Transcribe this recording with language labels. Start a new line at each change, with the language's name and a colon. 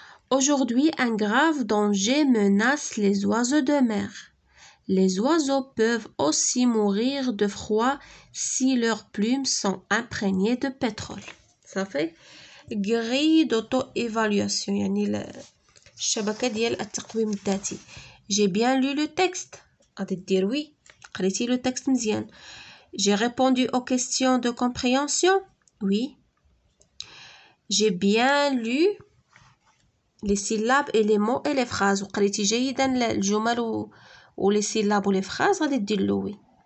French: Aujourd'hui, un grave danger menace les oiseaux de mer. Les oiseaux peuvent aussi mourir de froid si leurs plumes sont imprégnées de pétrole. Ça fait grille d'auto-évaluation.
Arabic: يعني la شبكة ديال التقويم الذاتي.
French: J'ai bien lu le texte.
Arabic: غادي دير وي. قريتي لو تيكست مزيان.
French: J'ai répondu aux questions de compréhension. Oui. J'ai bien lu les syllabes et les mots et les phrases.
Arabic: قريتي جيدا الجمل و
French: ou les syllabes ou les phrases, ça dit oui.